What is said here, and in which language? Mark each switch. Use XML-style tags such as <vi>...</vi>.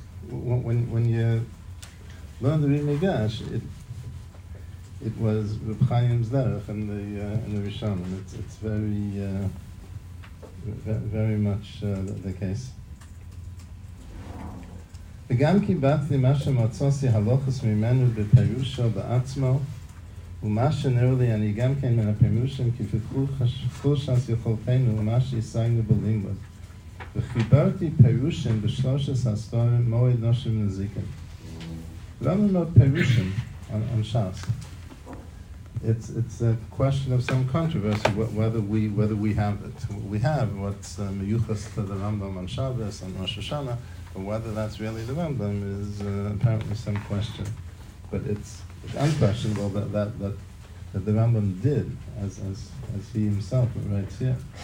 <en>When you learn the Vimigash, it was Reb Chaim's Derech in the Rishon. It's very very much the case.</en> <he>וגם כי באתי מה שמוצאתי הלוחס ממנו בפירושו בעצמו, ומה שנראה לי אני גם כן מהפירושים כי פיתחו חושס יכולתנו ומה שישגנו בלימוד. וחיברתי פירושים בשלושת הספרים מועד נושם נזיקת. למה לא פירושים on ש"ס?</he> <en>It's a question of some controversy whether we have it. We have what's מיוחס to the Rambam on Shabbos on Rosh Hashanah, but whether that's really the Rambam is apparently some question. But it's unquestionable that the Rambam did, as he himself writes here.</en>